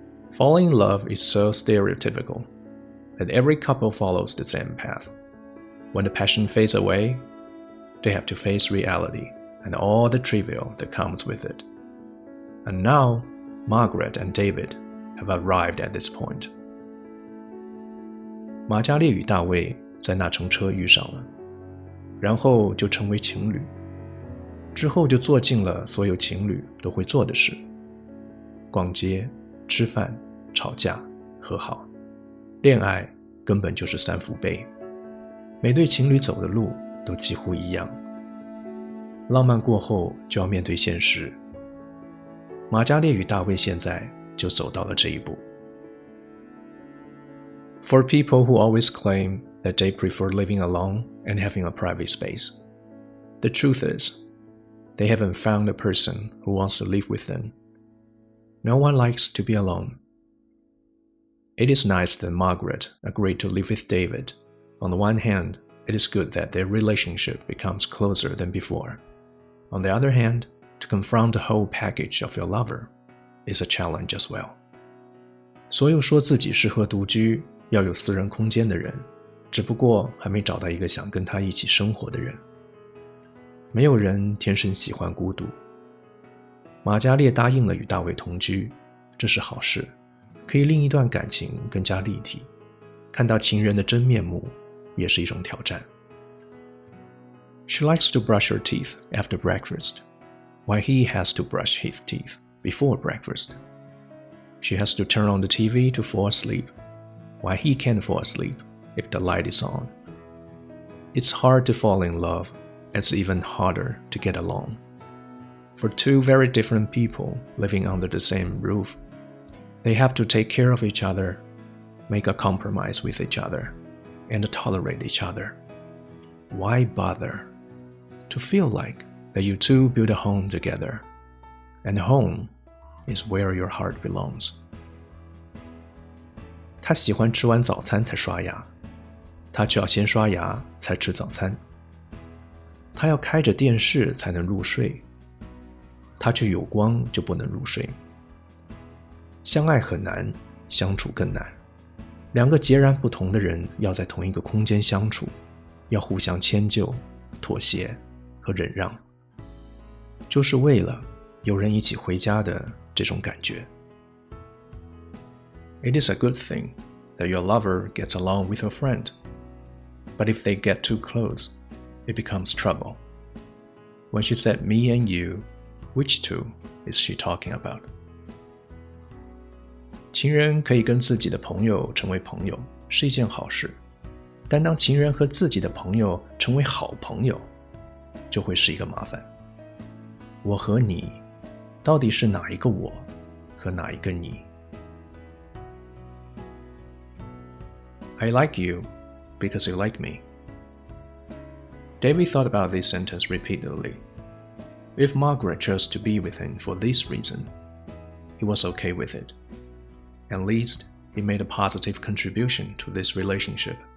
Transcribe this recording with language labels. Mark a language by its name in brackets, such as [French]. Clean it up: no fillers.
[English] Falling in love is so stereotypical that every couple follows the same path. When the passion fades away, they have to face reality and all the trivial that comes with it. And now, Margaret and David. Have arrived at this point. [Chinese] 马加列与大卫在那乘车遇上了，然后就成为情侣，之后就做尽了所有情侣都会做的事：逛街、吃饭、吵架、和好。恋爱根本就是三福杯，每对情侣走的路都几乎一样。浪漫过后就要面对现实，马加列与大卫现在就走到了这一步。 [English] For people who always claim that they prefer living alone and having a private space, the truth is, they haven't found a person who wants to live with them. No one likes to be alone. It is nice that Margaret agreed to live with David. On the one hand, it is good that their relationship becomes closer than before. On the other hand, to confront the whole package of your lover,is a challenge as well. [Chinese] 所有说自己适合独居、要有私人空间的人，只不过还没找到一个想跟他一起生活的人。没有人天生喜欢孤独。马加列答应了与大卫同居，这是好事，可以令一段感情更加立体。看到情人的真面目，也是一种挑战。 [English] She likes to brush her teeth after breakfast, while he has to brush his teeth. Before breakfast, she has to turn on the TV to fall asleep, while he can't fall asleep if the light is on. It's hard to fall in love, it's even harder to get along. For two very different people living under the same roof, they have to take care of each other, make a compromise with each other, and tolerate each other. Why bother? To feel like that you two build a home together, and homeis where your heart belongs. [Chinese] 他喜欢吃完早餐才刷牙，他就要先刷牙才吃早餐。他要开着电视才能入睡，他却有光就不能入睡。相爱很难，相处更难。两个截然不同的人要在同一个空间相处，要互相迁就、妥协和忍让，就是为了有人一起回家的这种感觉。 [English] It is a good thing that your lover gets along with a friend, but if they get too close, it becomes trouble. When she said me and you, which two is she talking about? [Chinese] 情人可以跟自己的朋友成为朋友是一件好事，但当情人和自己的朋友成为好朋友，就会是一个麻烦。我和你到底是哪一个我和哪一个你？ [English] I like you because you like me. David thought about this sentence repeatedly. If Margaret chose to be with him for this reason, he was okay with it. At least he made a positive contribution to this relationship.